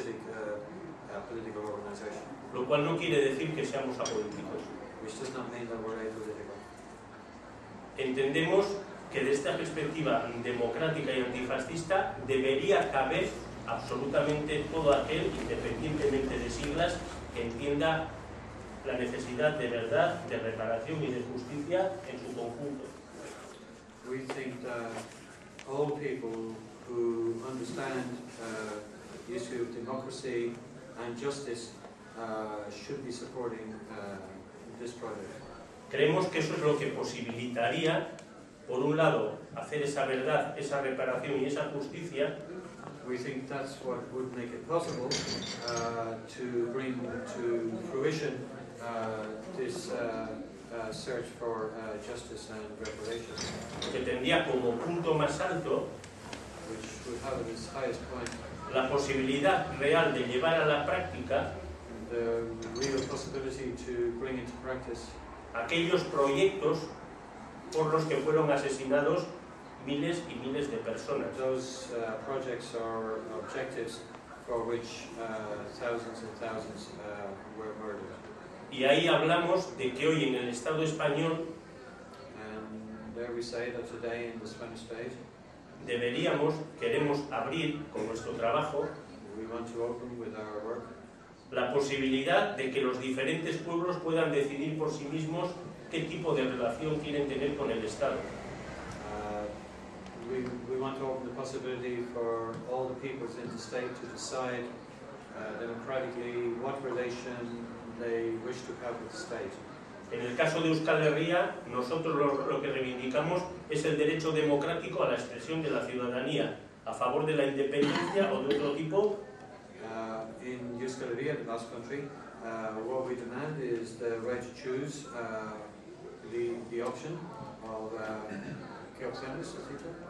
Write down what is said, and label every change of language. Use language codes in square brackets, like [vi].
[en] We in this association are not part of any specific political organization. [es] Lo cual no quiere decir que seamos apolíticos. [en] Which does not mean that we're apolitical. [es] Entendemos que de esta perspectiva democrática y antifascista debería caber absolutamente todo aquel, independientemente de siglas, que entienda la necesidad de verdad, de reparación y de justicia en su conjunto. [en] We think that all people who understand the issue of democracy and justice should be supporting this project. [es] Creemos que eso es lo que posibilitaría, por un lado, hacer esa verdad, esa reparación y esa justicia. [en] We think that's what would make it possible to bring to fruition this search for justice and reparation. [es] Que tendría como punto más alto, [en] which would have its highest point, [es] la posibilidad real de llevar a la práctica [en] the real possibility to bring into practice [es] aquellos proyectos por los que fueron asesinados miles y miles de personas. [en] Those projects or objectives for which thousands and thousands were murdered. [es] Y ahí hablamos de que hoy en el Estado español [en] there we say that today in the Spanish state, [es] deberíamos, queremos abrir con nuestro trabajo [en] we want to open with our work, [es] la posibilidad de que los diferentes pueblos puedan decidir por sí mismos qué tipo de relación quieren tener con el Estado. [en] We want to open the possibility for all the peoples in the state to decide democratically what relation they wish to have with the state. [es] En el caso de Euskal Herria, nosotros lo que reivindicamos es el derecho democrático a la expresión de la ciudadanía a favor de la independencia o de otro tipo. [en] In Euskal Herria, the Basque country, what we demand is the right to choose the option of [es] ¿qué opciones, etcétera?